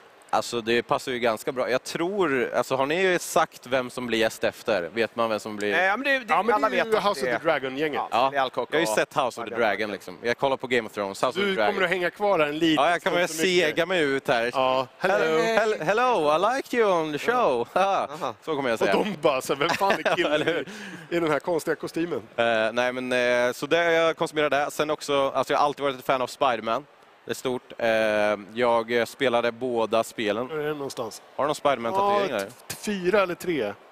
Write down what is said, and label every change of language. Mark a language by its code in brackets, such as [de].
[sv] Alltså det passar ju ganska bra. Jag tror, alltså har ni ju sagt vem som blir gäst efter? Vet man vem som blir... Nej, men det är House of the Dragon-gänget. Ja, jag har ju sett House of the Dragon liksom. Jag kollar på Game of Thrones, House du of the Dragon. Du kommer att hänga kvar där en liten. Ja, jag kan väl sega mig ut här. Ja, [en] hello. Hello, I like you on the show. [sv] Ja. Så kommer jag säga. Och de bara, så vem fan är killen i den här konstiga kostymen? Nej, men så det jag konsumerar där. Sen också, alltså jag har alltid varit ett fan av Spider-Man. Det är stort. Jag spelade båda spelen. Är det någonstans? Har du någon Spider-Man-tatuering där? Fyra eller tre.